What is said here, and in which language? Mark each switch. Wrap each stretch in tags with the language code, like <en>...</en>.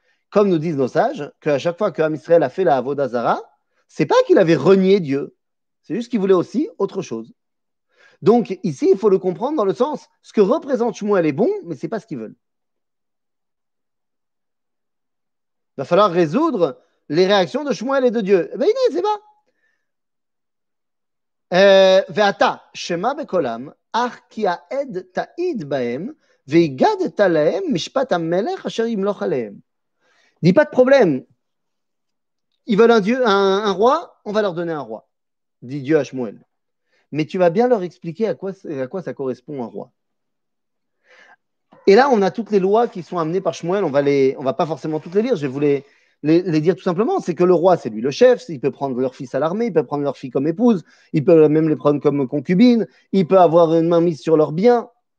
<fr>Comme nous disent nos sages, qu'à chaque fois qu'Am Israël a fait la Vodazara, c'est pas qu'il avait renié Dieu, c'est juste qu'il voulait aussi autre chose. Donc ici, il faut le comprendre dans le sens, ce que représente Shmuel est bon, mais c'est pas ce qu'ils veulent. Il va falloir résoudre les réactions de Shmuel et de Dieu. Ben il dit, c'est pas.</fr> <he>ואתה, שמה בקולם, אך כי העד תעיד בהם, והגדת להם משפט המלך אשר ימלוך עליהם.</he> <fr>Dis pas de problème. Ils veulent un roi, on va leur donner un roi, dit Dieu à Shmuel. Mais tu vas bien leur expliquer à quoi ça correspond un roi. Et là, on a toutes les lois qui sont amenées par Shmuel, on va pas forcément toutes les lire, je vais vous les dire tout simplement, c'est que le roi, c'est lui le chef, il peut prendre leur fils à l'armée, il peut prendre leur fille comme épouse, il peut même les prendre comme concubine, il peut avoir une main mise sur leurs biens.</fr>